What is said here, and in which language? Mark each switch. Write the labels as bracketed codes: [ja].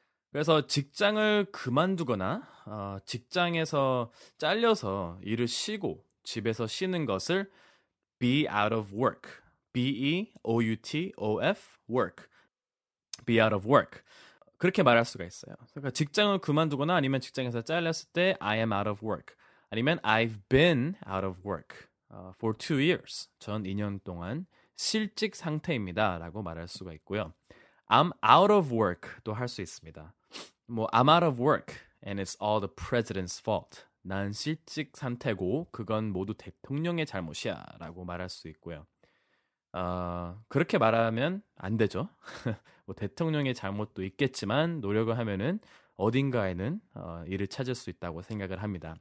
[ko] 그래서 직장을 그만두거나 직장에서 잘려서 일을 쉬고 집에서 쉬는 것을 [en] be out of work, be out of work, be out of work. [ko] 그렇게 말할 수가 있어요. 그러니까 직장을 그만두거나 아니면 직장에서 잘렸을 때 [en] I am out of work. [ko] 아니면 [en] I've been out of work for 2 years. [ko] 전 2년 동안 실직 상태입니다. 라고 말할 수가 있고요. [en] I'm out of work [ko] 도 할수 있습니다. [en] 뭐 I'm out of work and it's all the president's fault. [ko] 난 실직 상태고 그건 모두 대통령의 잘못이야. 라고 말할 수 있고요. 그렇게 말하면 안 되죠. 뭐 대통령의 잘못도 있겠지만 노력을 하면은 어딘가에는 일을 찾을 수 있다고 생각을 합니다.